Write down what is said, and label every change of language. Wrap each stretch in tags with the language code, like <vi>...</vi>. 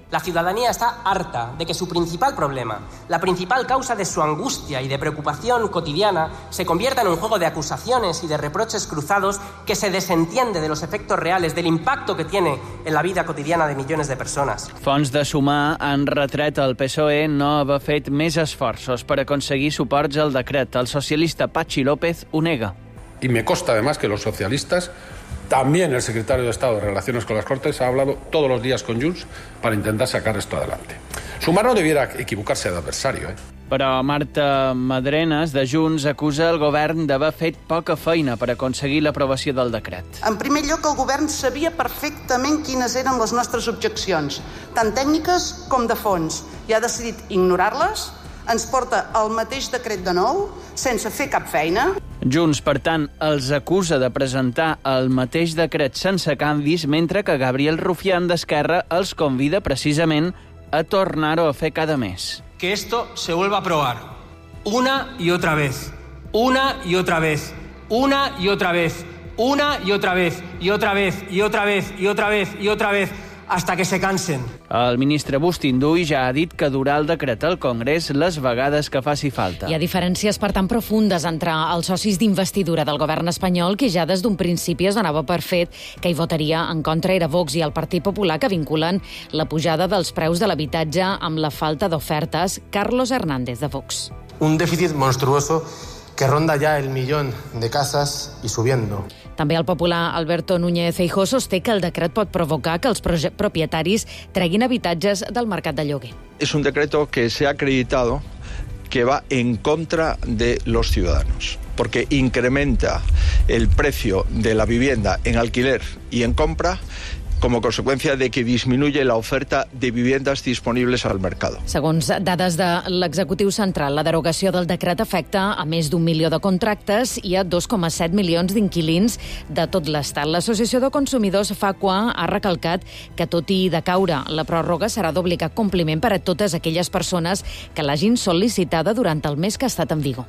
<es>La ciudadanía está harta de que su principal problema, la principal causa de su angustia y de preocupación cotidiana, se convierta en un juego de acusaciones y de reproches cruzados que se desentiende de los efectos reales, del impacto que tiene en la vida cotidiana de millones de personas.</es> <ca>Fons de Sumar han retret al PSOE no haver fet més esforços per aconseguir suports al decret. El socialista Patxi López ho nega.</ca> <es>Y me consta, además, que los socialistas... También el secretario de Estado de Relaciones con las Cortes ha hablado todos los días con Junts para intentar sacar esto adelante. Sumar no debiera equivocarse de adversario, ¿eh?</es> <ca>Però Marta Madrenas, de Junts, acusa el govern d'haver fet poca feina per aconseguir l'aprovació del decret. En primer lloc, el govern sabia perfectament quines eren les nostres objeccions, tant tècniques com de fons, i ha decidit ignorar-les. Ens porta el mateix decret de nou, sense fer cap feina. Junts, per tant, els acusa de presentar el mateix decret sense canvis, mentre que Gabriel Rufián, d'Esquerra, els convida precisament a tornar-ho a fer cada mes.</ca> <es>Que esto se vuelva a probar. Una y otra vez. Una y otra vez. Una y otra vez. Una y otra vez. Y otra vez. Y otra vez. Y otra vez. Y otra vez. Hasta que se cansen.</es> <ca>El ministre Bustinduy ja ha dit que durà el decret al Congrés les vegades que faci falta. Hi ha diferències, per tant, profundes entre els socis d'investidura del govern espanyol, que ja des d'un principi es donava per fet que hi votaria en contra era Vox i el Partit Popular, que vinculen la pujada dels preus de l'habitatge amb la falta d'ofertes. Carlos Hernández, de Vox.</ca> <es>Un dèficit monstruoso que ronda ja el millón de casas y subiendo.</es> <ca>També el popular Alberto Núñez Feijóo sosté que el decret pot provocar que els propietaris treguin habitatges del mercat de lloguer.</ca> <es>És un decreto que se ha acreditado que va en contra de los ciudadanos, porque incrementa el precio de la vivienda en alquiler y en compra como consecuencia de que disminuye la oferta de viviendas disponibles al mercado.</es> <ca>Segons dades de l'executiu central, la derogació del decret afecta a més d'un milió de contractes i a 2,7 milions d'inquilins de tot l'estat. L'Associació de Consumidors FACUA ha recalcat que, tot i de caure, la pròrroga serà d'obligat compliment per a totes aquelles persones que l'hagin sol·licitada durant el mes que ha estat en vigor.</ca>